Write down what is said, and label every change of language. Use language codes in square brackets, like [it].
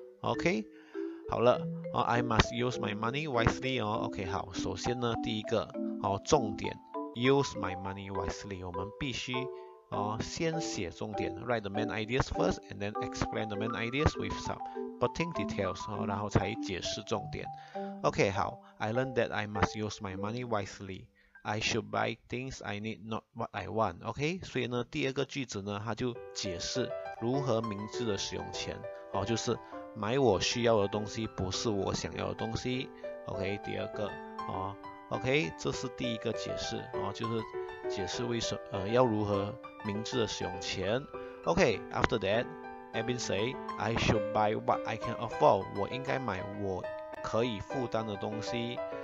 [en] OK， [zh] 好了、哦、 [en] I must use my money wisely、哦、OK， [zh] 好，首先呢第一个、哦、重点 [en] use my money wisely， [zh] 我们必须、哦、先写重点 [en] write the main ideas first and then explain the main ideas with some putting details、哦、 [zh] 然后才解释重点。 [en] OK， 好， I learned that I must use my money wiselyI should buy things I need, not what I want. [zh] OK， 所以呢，第二个句子呢，它就解释如何明智的使用钱。哦，就是买我需要的东西，不是我想要的东西。 OK， 第二个，哦 ，OK， 这是第一个解释。哦，就是解释为什么要如何明智的使用钱。 [en] OK， after that， Abin say I should buy what I can afford. [zh] 我应该买我可以负担的东西。